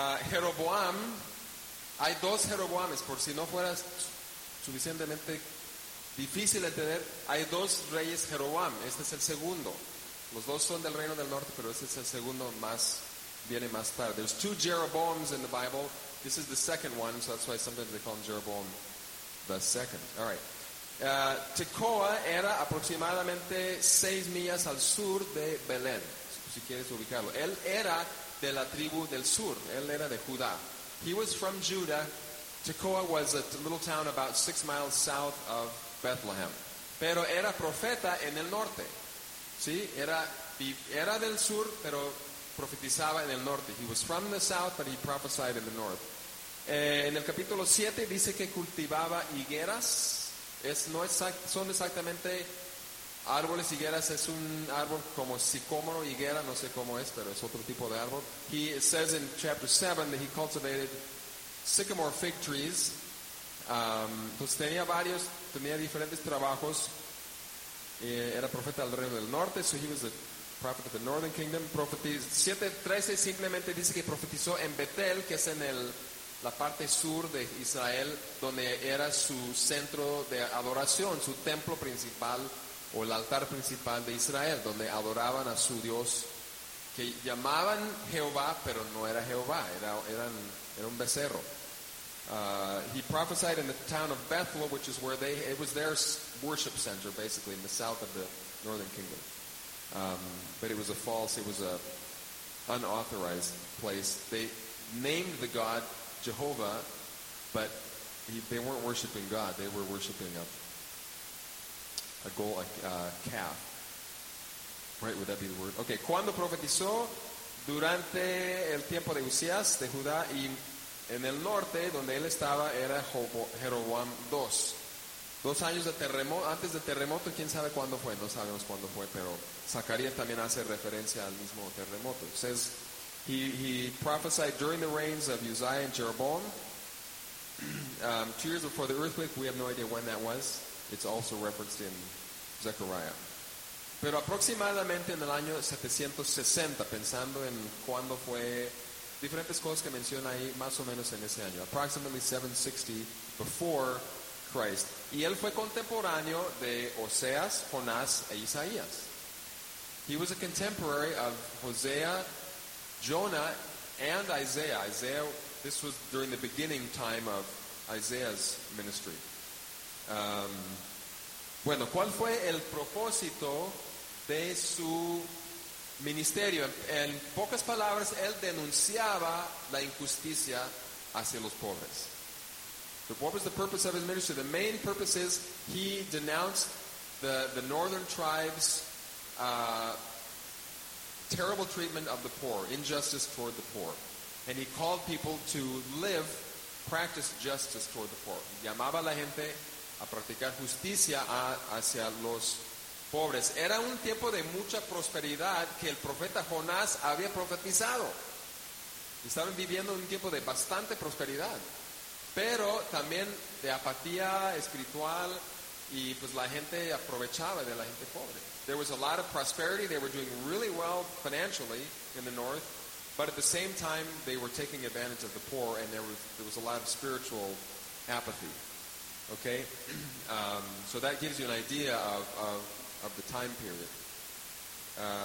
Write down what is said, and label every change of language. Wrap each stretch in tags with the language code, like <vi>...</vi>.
<es>Jeroboam, hay dos Jeroboames, por si no fuera suficientemente difícil entender, hay dos reyes Jeroboam, este es el segundo. Los dos son del reino del norte, pero este es el segundo más, viene más tarde.</es> <en>There's two Jeroboams in the Bible, this is the second one, so that's why sometimes they call him Jeroboam the second. All right.</en> <es>Tekoa era aproximadamente 6 millas al sur de Belén. Si quieres ubicarlo, él era de la tribu del sur, él era de Judá.</es> <en>He was from Judah. Tekoa was a little town about 6 miles south of Bethlehem.</en> <es>Pero era profeta en el norte. ¿Sí? Era del sur, pero profetizaba en el norte.</es> <en>He was from the south, but he prophesied in the north.</en> <es>En el capítulo 7 dice que cultivaba higueras. Son exactamente árboles, higueras, es un árbol como sicómoro, higuera, no sé cómo es, pero es otro tipo de árbol.</es> <en>It says in chapter 7 that he cultivated sycamore fig trees.</en> <es>Entonces tenía diferentes trabajos. Era profeta del reino del norte,</es> <en>so he was the prophet of the northern kingdom.</en> <es>7:13 simplemente dice que profetizó en Betel, que es en la parte sur de Israel, donde era su centro de adoración, su templo principal, o el altar principal de Israel, donde adoraban a su Dios, que llamaban Jehová, pero no era Jehová, era un becerro.</es> <en>He prophesied in the town of Bethel, which is where it was their worship center, basically, in the south of the northern kingdom. But it was an unauthorized place. They named the God Jehovah, but they weren't worshiping God, they were worshiping a calf, right? Would that be the word? Okay.</en> <es>Cuando profetizó durante el tiempo de Usías de Judá y en el norte donde él estaba era Jeroboam dos años de terremoto, antes del terremoto, quién sabe cuándo fue, no sabemos cuándo fue, pero Zacarías también hace referencia al mismo terremoto.</es> <en>It says he prophesied during the reigns of Uzziah and Jeroboam 2 years before the earthquake. We have no idea when that was. It's also referenced in Zechariah.</en> <es>Pero aproximadamente en el año 760, pensando en cuándo fue, diferentes cosas que menciona ahí, más o menos en ese año.</es> <en>Approximately 760 before Christ.</en> <es>Y él fue contemporáneo de Oseas, Jonás e Isaías.</es> <en>He was a contemporary of Hosea, Jonah, and Isaiah. Isaiah, this was during the beginning time of Isaiah's ministry.</en> <es>Bueno, ¿cuál fue el propósito de su ministerio? En pocas palabras, él denunciaba la injusticia hacia los pobres.</es> <en>So what was the purpose of his ministry? The main purpose is he denounced the northern tribes' terrible treatment of the poor, injustice toward the poor. And he called people to practice justice toward the poor.</en> <es>Llamaba a la gente a practicar justicia hacia los pobres. Era un tiempo de mucha prosperidad que el profeta Jonás había profetizado. Estaban viviendo un tiempo de bastante prosperidad, pero también de apatía espiritual, y pues la gente aprovechaba de la gente pobre.</es> <en>There was a lot of prosperity. They were doing really well financially in the north, but at the same time they were taking advantage of the poor, and there was a lot of spiritual apathy. Okay, so that gives you an idea of the time period.</en>